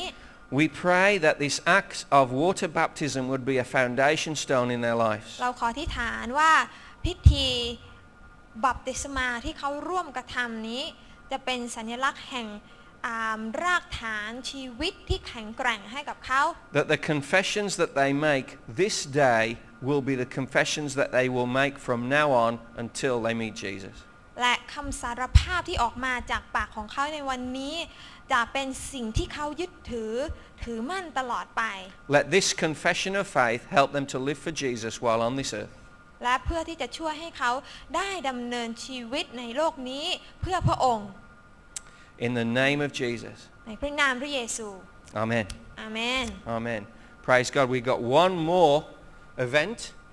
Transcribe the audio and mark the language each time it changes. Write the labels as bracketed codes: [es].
[en] We pray that this act of water baptism would be a foundation stone in their lives [th] เราขออธิษฐานว่าพิธีบัพติศมาที่เขาร่วมกระทำนี้จะเป็นสัญลักษณ์แห่งรากฐานชีวิตที่แข็งแกร่งให้กับเขา [en] That the confessions that they make this day will be the confessions that they will make from now on until they meet Jesus [th] และคำสารภาพที่ออกมาจากปากของเขาในวันนี้จะเป็นสิ่งที่เขายึดถือมั่นตลอดไป [en] Let this confession of faith help them to live for Jesus while on this earth [th] และเพื่อที่จะช่วยให้เขาได้ดำเนินชีวิตในโลกนี้เพื่อพระองค์ [en] In the name of Jesus. [th] ในพระนามพระเยซู [en] Amen. Amen. Amen. Praise God. We got one more event.